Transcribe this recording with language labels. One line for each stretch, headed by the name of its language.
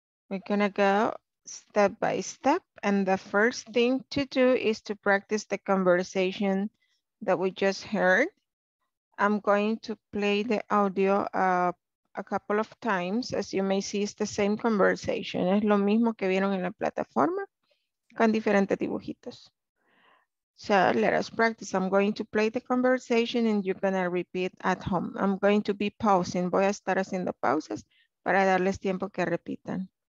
English: We're gonna go step by step, and the first thing to do is to practice the conversation that we just heard. I'm going to play the audio a couple of times. As you may see, it's the same conversation.
Spanish: Es lo mismo que vieron en la plataforma, con diferentes dibujitos.
English: So let us practice. I'm going to play the conversation and you're gonna repeat at home. I'm going to be pausing.
Spanish: Voy a estar haciendo pausas para darles tiempo que repitan.